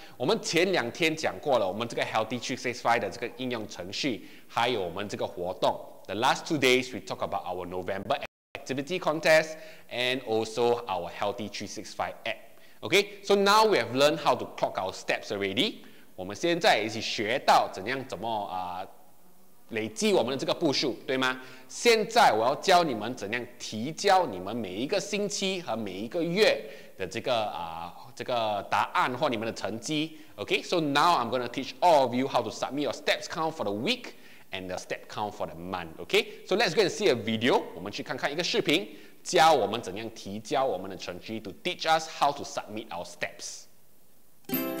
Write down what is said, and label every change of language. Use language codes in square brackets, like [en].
[zh] 我们前两天讲过了，我们这个 Healthy 365的这个应用程序，还有我们这个活动。 [en] The last 2 days we talk about our November activity contest and also our Healthy 365 app. Okay, so now we have learned how to clock our steps already. [zh] 我们现在一起学到怎么累积我们的这个步数，对吗？现在我要教你们怎样提交你们每一个星期和每一个月的这个答案或你们的成绩。 [en] Okay, so now I'm going to teach all of you how to submit your steps count for the week and the step count for the month. Okay, so let's go and see a video. [zh] 我们去看看一个视频，教我们怎样提交我们的成绩 [en] ，to teach us how to submit our steps.